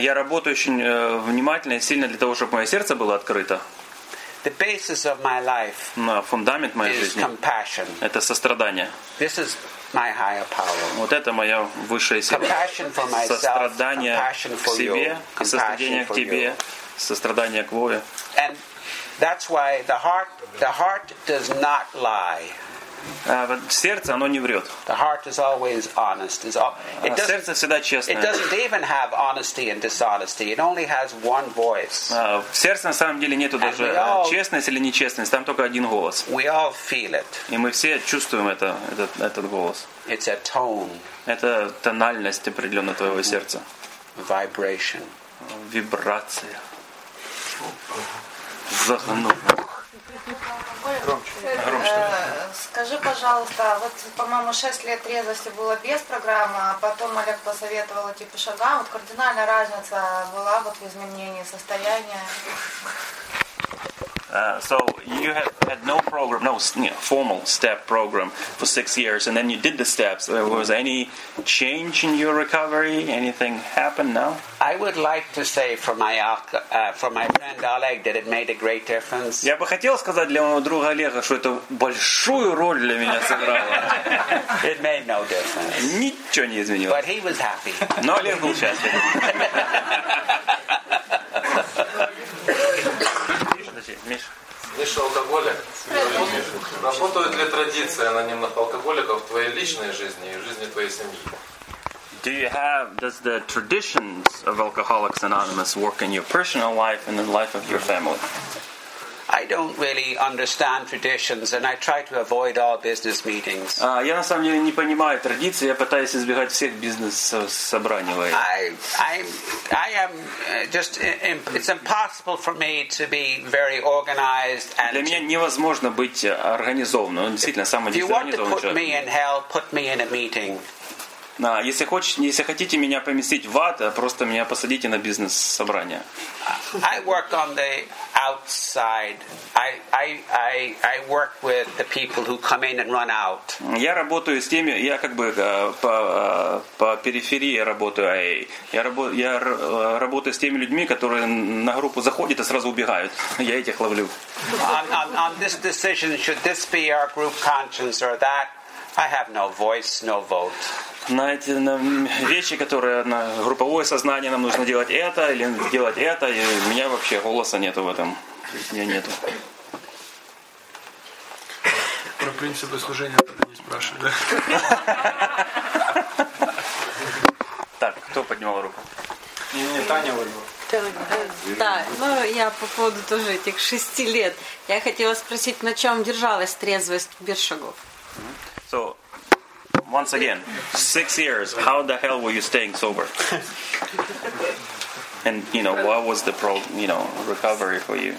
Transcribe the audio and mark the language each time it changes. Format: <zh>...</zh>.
<ru>Я работаю очень внимательно и сильно для того, чтобы мое сердце было открыто.</ru> <en>The basis of my life</en> <ru>фундамент моей жизни</ru> <en>is compassion.</en> <ru>Это сострадание.</ru> <en>This is my higher power.</en> <ru>Вот это моя высшая сила.</ru> <en>Compassion for myself,</en> <ru>сострадание</ru> <en>compassion</en> <ru>к себе, сострадание к тебе, сострадание к Богу.</ru> <en>And that's why the heart does not lie.</en> <ru>Сердце, оно не врет.</ru> <en>The heart is always honest.</en> <ru>Сердце всегда честное.</ru> <en>It doesn't even have honesty and dishonesty. It only has one voice.</en> <ru>В сердце на самом деле нету даже честность или нечестность. Там только один голос.</ru> <en>We all feel it.</en> <ru>И мы все чувствуем этот голос.</ru> <en>It's a tone.</en> <ru>Это тональность определенно твоего сердца.</ru> <en>Vibration.</en> <ru>Вибрация. Загнул. Скажи, пожалуйста, вот, по-моему, 6 лет трезвости было без программы, а потом Олег посоветовал идти по шагам. Вот кардинальная разница была вот в изменении состояния.</ru> <en>So you have had no program, no formal step program for 6 years, and then you did the steps. Was any change in your recovery? Anything happened now? I would like to say for my friend Oleg that it made a great difference.</en> <ru>Я бы хотел сказать для моего друга Олега, что это большую роль для меня сыграло.</ru> <en>It made no difference.</en> <ru>Ничего не изменилось.</ru> <en>But he was happy.</en> <ru>Но Олег был счастлив. Миша, алкоголик. Работает ли традиция анонимных алкоголиков в твоей личной жизни и в жизни твоей семьи?</ru> <en>Do you have does the traditions of Alcoholics Anonymous work in your personal life and in the life of your family? I don't really understand traditions, and I try to avoid all business meetings.</en> <ru>Я на самом деле не понимаю традиции. Я пытаюсь избегать всех бизнес-собраний.</ru> <en>It's impossible for me to be very organized. And</en> <ru>для меня невозможно быть организованным. Он действительно самый дисциплинированный человек.</ru> <en>If you want to put me in hell, put me in a meeting.</en> <ru>Если хотите меня поместить в ад, просто меня посадите на бизнес-собрание.</ru> <en>I work on the outside. I work with the people who come in and run out.</en> <ru>Я работаю с теми, я как бы по периферии работаю. Я работаю с теми людьми, которые на группу заходят и сразу убегают. Я этих ловлю.</ru> <en>On this decision, should this be our group conscience or that? I have no voice, no vote.</en> <ru>Знаете, вещи, которые на групповое сознание, нам нужно делать это или делать это, и у меня вообще голоса нету в этом. Меня нету. Про принципы служения так не спрашивали. Да? Так, кто поднимал руку? Не Таня выбрала. Да, ну я по поводу тоже этих 6 лет. Я хотела спросить, на чем держалась трезвость без шагов?</ru> <en>So, once again, 6 years, how the hell were you staying sober? And, you know, what was the recovery for you?</en>